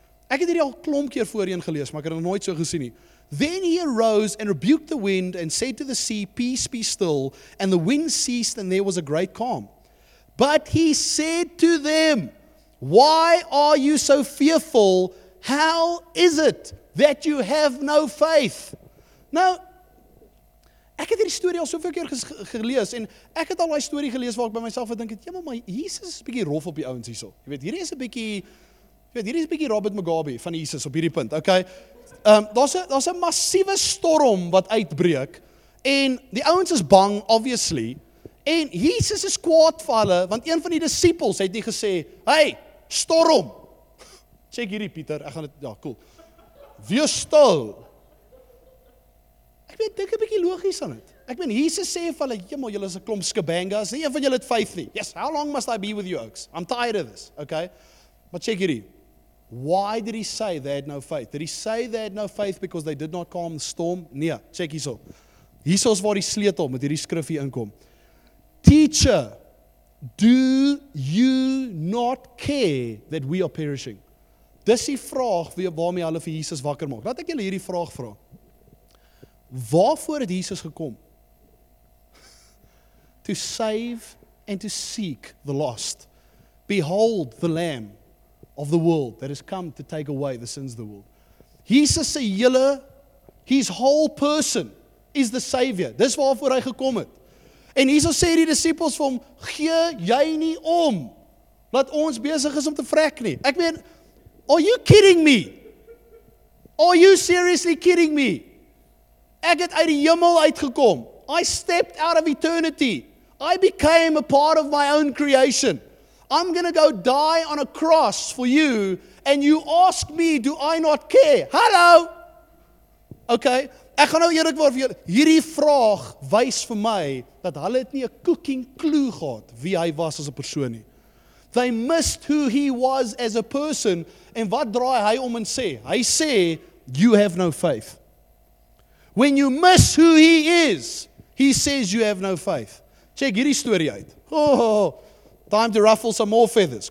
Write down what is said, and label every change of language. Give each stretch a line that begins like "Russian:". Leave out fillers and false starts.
Afrikaans: Ek het hierdie al klomp keer voorheen gelees, maar ek het dit nooit so gesien nie.
English: Then he arose and rebuked the wind and said to the sea, peace be still. And the wind ceased and there was a great calm. But he said to them, why are you so fearful? How is it that you have no faith?
Afrikaans: Nou, ek het hierdie story al soveel keer gelees, en ek het al die story gelees waar ek by myself gedink het, jemma, maar Jesus is 'n bietjie rof op die ouens hierso. Jy weet, hierdie is 'n bietjie, jy weet, hierdie is 'n bietjie Robert Mugabe van Jesus op hierdie punt, okay? Daar's 'n massiewe storm wat uitbreek, en die ouens is bang, obviously. En Jesus is kwaad vir hulle, want een van die disciples het nie gesê, hey, storm. Check hierdie, Pieter, ek gaan dit, ja, cool. Wees stil. Ek weet, dink 'n bietjie logies aan dit. Ek meen, Jesus sê vir hulle, jemma, julle is 'n klomp skabangas, nie een van julle het faith nie.
English: Yes, how long must I be with you, oaks? I'm tired of this, okay? But check hierdie. Why did he say they had no faith? Did he say they had no faith because they did not calm the storm?
Afrikaans: Nee, check hierso. Hierso is waar die sleutel met hierdie skrif hier inkom.
English: Teacher, do you not care that we are perishing?
Afrikaans: Dis die vraag waarmee hulle vir Jesus wakker maak. Laat ek julle hierdie vraag vra. Waarvoor het Jesus gekom?
English: To save and to seek the lost. Behold the Lamb of the world that has come to take away the sins of the world.
Afrikaans: Jesus se hele,
English: his whole person is the Savior.
Afrikaans: Dis waarvoor hy gekom het. En hierso sê die disippels vir hom, gee jy nie om wat ons besig is om te vrek nie. Ek meen,
English: are you kidding me? Are you seriously kidding me?
Afrikaans: Ek het uit die hemel uitgekom.
English: I stepped out of eternity. I became a part of my own creation. I'm going to go die on a cross for you, and you ask me, do I not care?
Afrikaans: Hallo! Okay, ek gaan nou eerlik word vir julle. Hierdie vraag wys vir my, dat hulle het nie 'n cooking clue gehad, wie hy was as 'n persoon nie.
English: They missed who he was as a person,
Afrikaans: en wat draai hy om en sê? Hy sê,
English: you have no faith. When you miss who he is, he says you have no faith.
Afrikaans: Check hierdie story uit.
English: Oh, time to ruffle some more feathers.